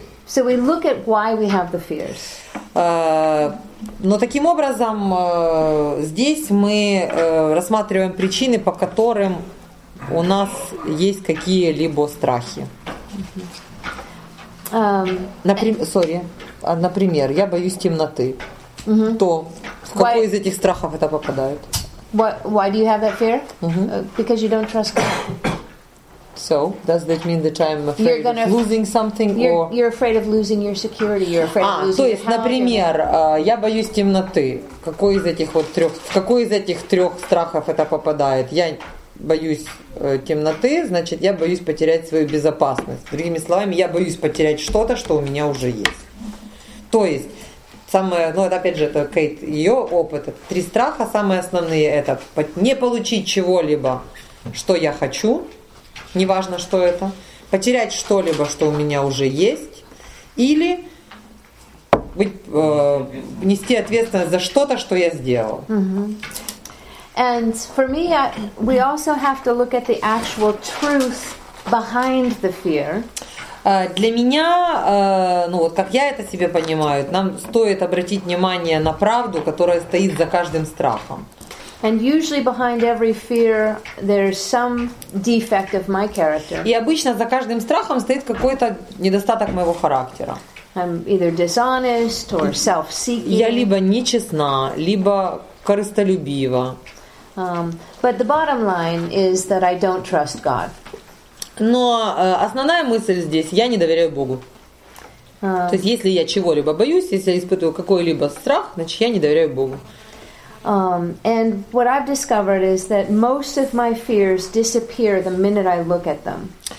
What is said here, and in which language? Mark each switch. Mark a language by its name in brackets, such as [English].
[English] So we look at why we have the fears. [Russian] Но таким образом здесь мы рассматриваем причины, по которым у нас есть какие-либо страхи. Например, я боюсь темноты. Mm-hmm. То в какой из этих страхов это попадает? [English] Why do you have that fear? Because you don't trust God. So, does that mean that I'm afraid of losing something? You're afraid of losing your security. You're afraid of losing your [Russian] health. То есть, например, я боюсь темноты. В какой из этих трех страхов это попадает? Я боюсь темноты, значит, я боюсь потерять свою безопасность. Другими словами, я боюсь потерять что-то, что у меня уже есть. То есть, это Кейт, ее опыт. Три страха самые основные – это не получить чего-либо, что я хочу, неважно, что это, потерять что-либо, что у меня уже есть, или нести ответственность за что-то, что я сделал. Mm-hmm. [English] And for me, we also have to look at the actual truth behind the fear. [Russian] Для меня, как я это себе понимаю, нам стоит обратить внимание на правду, которая стоит за каждым страхом. [English] And usually behind every fear there's some defect of my character. [Russian] И обычно за каждым страхом стоит какой-то недостаток моего характера. [English] I'm either dishonest or self-seeking. [Russian] Я либо нечестна, либо корыстолюбива. [English] But the bottom line is that I don't trust God. [Russian] Но основная мысль здесь: я не доверяю Богу. То есть, если я чего-либо боюсь, если я испытываю какой-либо страх, значит, я не доверяю Богу. [English] And what I've discovered is that most of my fears disappear the minute I look at them.